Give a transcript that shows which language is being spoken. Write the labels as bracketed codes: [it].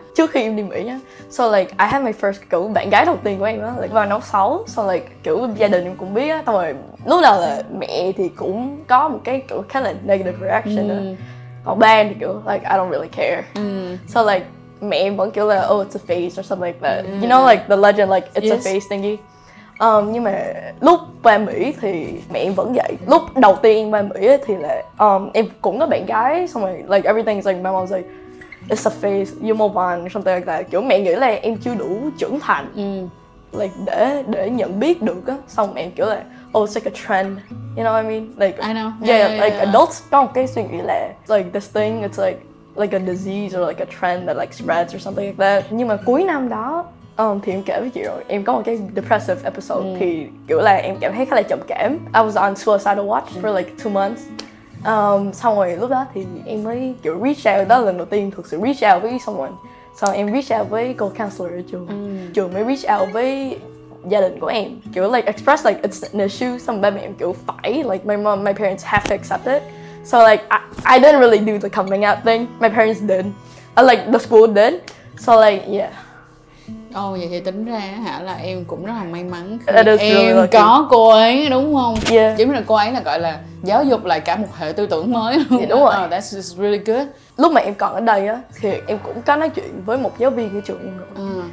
[vi] Trước khi em đi Mỹ nhá. So like [en] I had my first [vi] kiểu bạn gái đầu tiên của em á, like vào năm 6. So like kiểu gia đình em cũng biết á, thôi lúc nào là mẹ thì cũng có một cái kiểu khá là [en] negative reaction [vi] á. Còn ba em thì kiểu like [en] I don't really care. So like [vi] mẹ em vẫn kiểu là [en] oh it's a phase or something like that. You know like the legend like it's yes. a phase thingy. [vi] Nhưng mà lúc qua Mỹ thì mẹ em vẫn vậy. Lúc đầu tiên qua Mỹ thì là em cũng có bạn gái. Xong rồi [en] like everything is like my mom's like it's a phase, you move on, something like that. [vi] Kiểu mẹ nghĩ là em chưa đủ trưởng thành like để nhận biết được á. Xong mẹ kiểu là [en] oh it's like a trend, you know what I mean? Like, I know. Yeah, adults [vi] có một cái suy nghĩ là [en] like this thing it's like a disease or like a trend that like spreads or something like that. [vi] Nhưng mà cuối năm đó thì em kể với chị rồi, em có một cái depressive episode thì kiểu là em cảm thấy khá là trầm cảm. [en] I was on suicidal watch for like 2 months. [vi] Xong rồi lúc đó thì em mới kiểu reach out, đó là lần đầu tiên thực sự reach out với someone. Xong em reach out với cô counselor ở trường. Trường mới reach out với gia đình của em. [en] Kiểu like express like it's an issue. [vi] Xong ba mẹ em kiểu phải, [en] like my mom, my parents have to accept it. So like I didn't really do the coming out thing. My parents did. Like the school did. So like yeah. [vi] Ồ, vậy thì tính ra hả là em cũng rất là may mắn khi em really có cô ấy, đúng không? [en] Yeah. [vi] Chính là cô ấy là gọi là giáo dục lại cả một hệ tư tưởng mới luôn. Yeah, đúng rồi. [en] Oh, that's just really good. [vi] Lúc mà em còn ở đây á, thì em cũng có nói chuyện với một giáo viên ở trường em rồi.